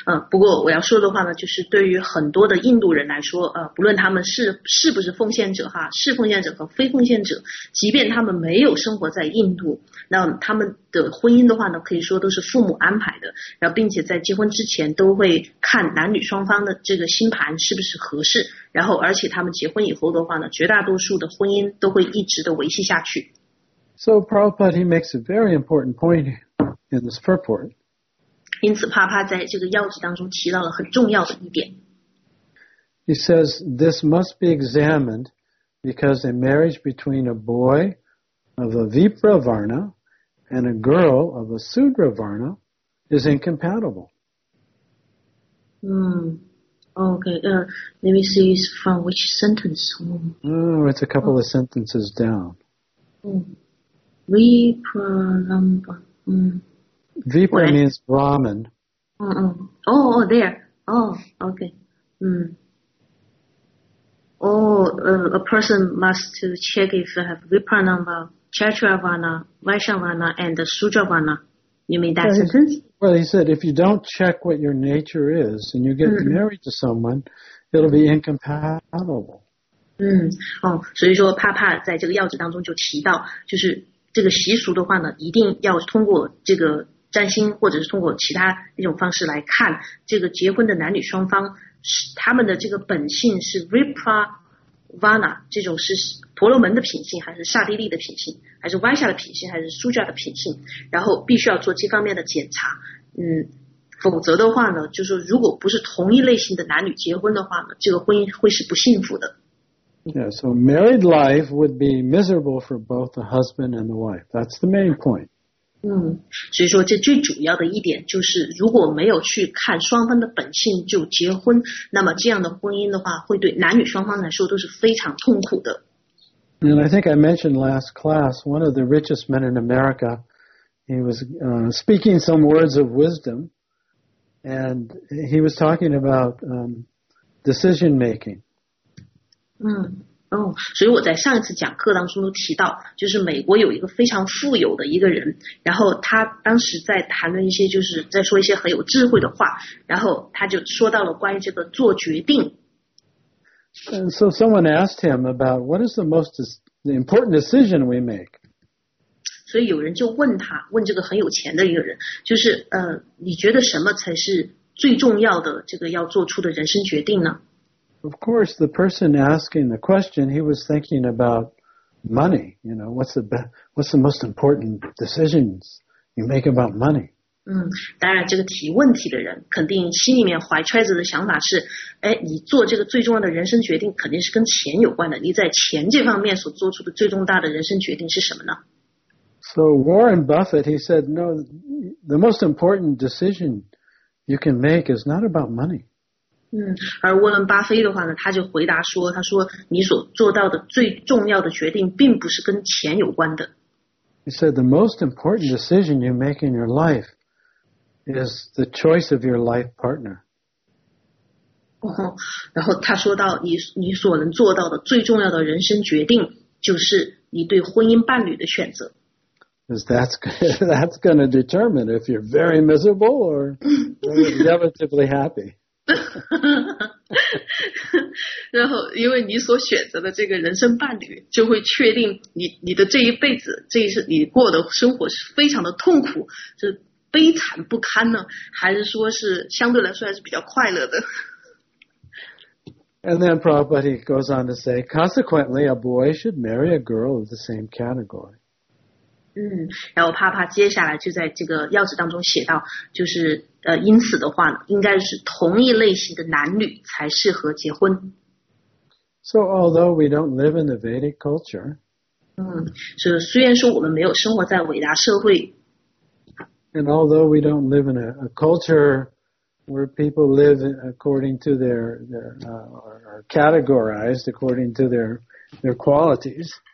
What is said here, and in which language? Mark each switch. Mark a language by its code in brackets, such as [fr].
[zh] 不过我要说的话呢，就是对于很多的印度人来说，不论他们是不是奉献者哈，是奉献者和非奉献者，即便他们没有生活在印度，那他们的婚姻的话呢，可以说都是父母安排的，然后并且在结婚之前都会看男女双方的这个星盘是不是合适，然后而且他们结婚以后的话呢，绝大多数的婚姻都会一直的维系下去。 [en] So Prabhupada he makes a very important point in this purport. [zh] 因此帕帕在这个要旨当中提到了很重要的一点。 [en] He says, this must be examined because a marriage between a boy of a Vipra Varna and a girl of a Sudra Varna is incompatible. Let me see from which sentence. Oh, it's a couple of sentences down. Vipra Lamba. Vipra means Brahmin. A person must check if they have Vipra number, Kshatriyavarna, Vaishyavarna, and Sudravarna. You mean that sentence? Well, he said if you don't check what your nature is and you get married to someone, it'll be incompatible. [zh] 所以说帕帕在这个要旨当中就提到，就是这个习俗的话呢，一定要通过这个。占星或者是通过其他一种方式来看这个结婚的男女双方他们的这个本性是 Vipra Vana 这种是婆罗门的品性，还是刹帝利的品性，还是歪下的品性，还是苏加的品性，然后必须要做这方面的检查。嗯，否则的话呢，就是如果不是同一类型的男女结婚的话呢，这个婚姻会是不幸福的。 [en] Yeah, so married life would be miserable for both the husband and the wife. That's the main point. [zh] 嗯，所以说这最主要的一点就是，如果没有去看双方的本性就结婚，那么这样的婚姻的话，会对男女双方来说都是非常痛苦的。 [en] And I think I mentioned last class, one of the richest men in America, he was speaking some words of wisdom, and he was talking about decision making. [zh] 嗯，哦，所以我在上一次讲课当中都提到，就是美国有一个非常富有的一个人，然后他当时在谈论一些，就是在说一些很有智慧的话，然后他就说到了关于这个做决定。 [en] And so someone asked him about what is the most important decision we make. [zh] 所以有人就问他，问这个很有钱的一个人，就是你觉得什么才是最重要的这个要做出的人生决定呢？ [en] Of course, the person asking the question, he was thinking about money. You know, what's the most important decisions you make about money? [zh] 当然这个提问题的人肯定心里面怀揣着的想法是，哎，你做这个最重要的人生决定肯定是跟钱有关的。你在钱这方面所做出的最重大的人生决定是什么呢？ [en] So Warren Buffett, he said, no, the most important decision you can make is not about money. [zh] 而沃伦巴菲的话呢，他就回答说，他说你所做到的最重要的决定并不是跟钱有关的。 [en] He said the most important decision you make in your life is the choice of your life partner. [zh] 然后他说到 你所能做到的最重要的人生决定就是你对婚姻伴侣的选择。 [en] That's going to determine if you're very miserable or relatively happy. [zh] 然后因为你所选择的这个人生伴侣就会确定 你的这一辈子，这一次你过的生活是非常的痛苦，是悲惨不堪呢，还是说是相对来说还是比较快乐的。 [en] And then Prabhupada goes on to say, consequently a boy should marry a girl of the same category. [zh] 然后帕帕接下来就在这个要旨当中写到，就是因此的话呢，应该是同一类型的男女才适合结婚。 [en] So although we don't live in the Vedic culture, [zh] 是虽然说我们没有生活在伟大社会。 [en] And although we don't live in a culture where people live according to are categorized according to their qualities.